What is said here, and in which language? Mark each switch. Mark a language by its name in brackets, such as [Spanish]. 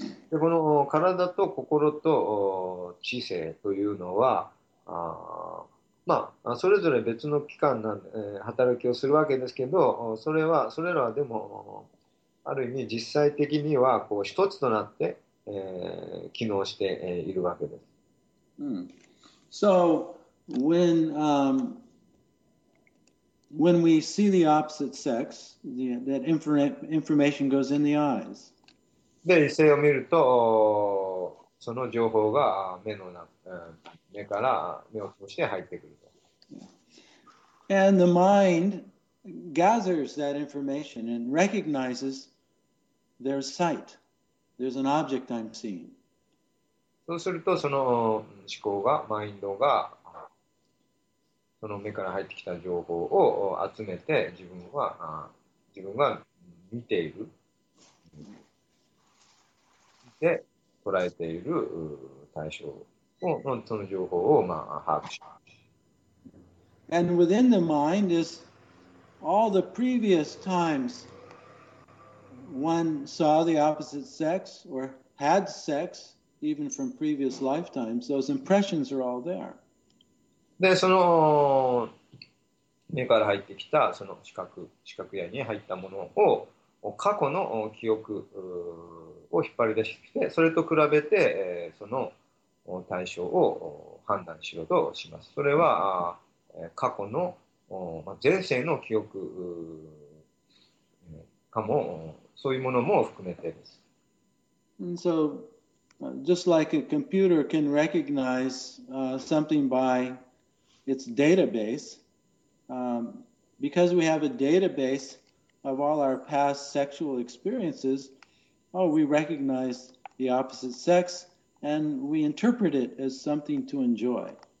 [Japanese] でこの体と心と知性というのはまあそれぞれ別の器官なんで働きをするわけですけど、それはそれらはでもある意味実際的にはこう一つとなって機能しているわけです。 [English] So when when we see the opposite sex, that information goes in the eyes. [Japanese] で、異性を見るとその情報が目から目を通して入ってくると。 [English] And the mind gathers that information and recognizes their sight. There's an object I'm seeing. [Japanese] そうするとその思考が、マインドがその目から入ってきた情報を集めて自分が見ているで捉えている対象をその情報を、まあ、把握します。 [English] And within the mind is all the previous timesOne saw the opposite sex or had sex even from previous lifetimes. Those impressions are all there. [Japanese] で、その目から入ってきたその視覚屋に入ったものを過去の記憶を引っ張り出してきて、それと比べてその対象を判断しようとします。それは過去の前世の記憶かも。そういうものも含めてです。 [English] And so, just like a computer can recognize something by its database, because we have a database of all our past sexual experiences, we recognize the opposite sex and we interpret it as something to enjoy.